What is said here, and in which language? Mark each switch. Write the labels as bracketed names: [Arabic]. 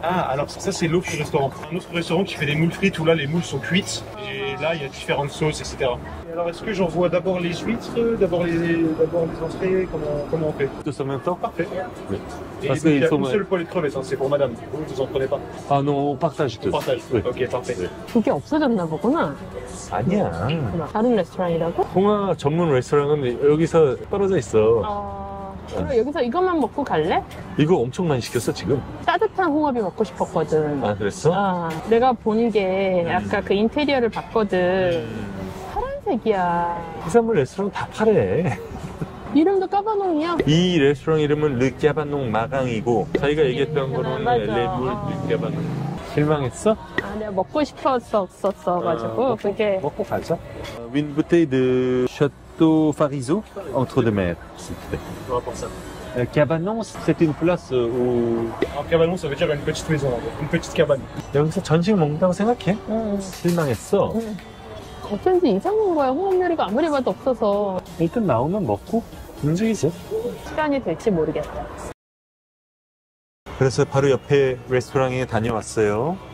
[French] Ah, alors ça, c'est l'autre restaurant. Un autre restaurant qui fait des moules frites où là, les moules sont cuites. Et là, il y a différentes sauces, etc. Et alors, est-ce que j'envoie d'abord les huîtres, d'abord les entrées, comment on fait? Tout ça en même temps. Parfait. Oui. Parce qu'il faut... Il y a une seule poêle de crevettes, c'est pour madame. Vous, vous en prenez pas? Ah non, on partage tout. On partage. Oui. Ok, parfait. Oui. [Korean] 그게 없어졌나 보구나. 아니야. 다른 레스토랑이라고? 홍화 전문 레스토랑은 여기서 떨어져 있어. 그럼 여기서 이것만 먹고 갈래? 이거 엄청 많이 시켰어 지금? 따뜻한 홍합이 먹고 싶었거든. 아 그랬어? 아, 내가 본 게 아까 그 인테리어를 봤거든. 파란색이야. 해산물 레스토랑 다 파래. 이름도 까바농이야? 이 레스토랑 이름은 르 까바농 마강이고 자기가 얘기했던 거는 레물 르 까바농. 실망했어? 아니야 먹고 싶었었어 가지고 그게 먹고 가자. [French] Une bouteille de Château Fariseau entre deux mers, s'il te plaît. Cabanon, c'est une place où. Cabanon, ça veut dire une petite maison, une petite cabane. [Korean] 여기서 전식 먹는다고 생각해? 응. 실망했어. 어쩐지 이상한 거야. 홍합 요리가 아무리 봐도 없어서. 일단 나오면 먹고 움직이자. 시간이 될지 모르겠다. 그래서 바로 옆에 레스토랑에 다녀왔어요.